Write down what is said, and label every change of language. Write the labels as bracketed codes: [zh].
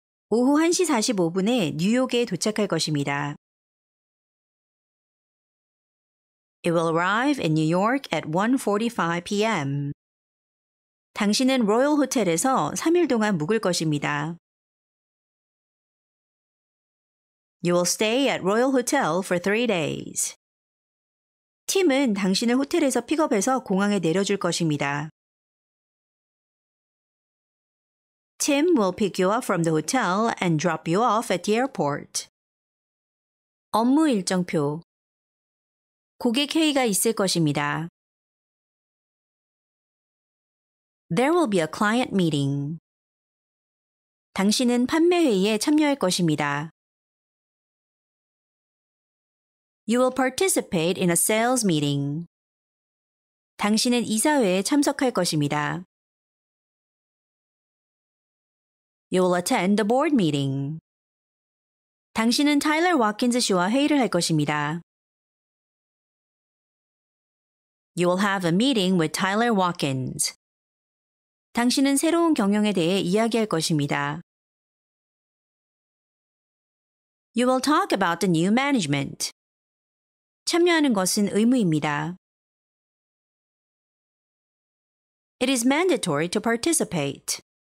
[ko] 오후 1시 45분에 뉴욕에 도착할 것입니다. [en] It will arrive in New York at 1:45 p.m. [ko] 당신은 로열 호텔에서 3일 동안 묵을 것입니다. [en] You will stay at Royal Hotel for 3 days. [ko] 팀은 당신을 호텔에서 픽업해서 공항에 내려줄 것입니다. [en] Tim will pick you up from the hotel and drop you off at the airport. [ko] 업무 일정표. 고객 회의가 있을 것입니다. [en] There will be a client meeting. [ko] 당신은 판매 회의에 참여할 것입니다. [en] You will participate in a sales meeting. [ko] 당신은 이사회에 참석할 것입니다. [en] You will attend the board meeting. [ko] 당신은 타일러 와킨즈 씨와 회의를 할 것입니다. [en] You will have a meeting with Tyler Watkins. [ko] 당신은 새로운 경영에 대해 이야기할 것입니다. [en] You will talk about the new management. [ko] 참여하는 것은 의무입니다. [en] It is mandatory to participate.